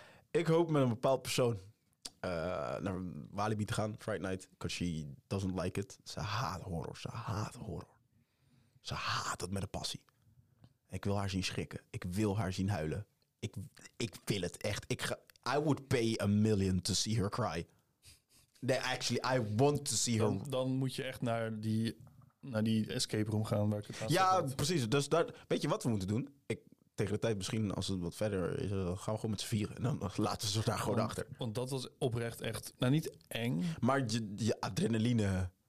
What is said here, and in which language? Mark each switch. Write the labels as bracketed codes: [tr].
[nl] ik hoop met een bepaald persoon naar Walibi te gaan, Fright Night. [en] Because she doesn't like it. [nl] Ze haat horror, ze haat horror. Ze haat het met een passie. Ik wil haar zien schrikken. Ik wil haar zien huilen. Ik wil het echt. [en] I would pay $1 million to see her cry. [nl] Nee, [en] actually, I want to see her. [nl] Dan moet je echt naar die escape room gaan waar ik het aan ja, precies. Dus daar, weet je wat we moeten doen? Tegen de tijd misschien, als het wat verder is, gaan we gewoon met z'n vieren. En dan laten ze daar gewoon achter. Want dat was oprecht echt, nou niet eng. Maar je adrenaline.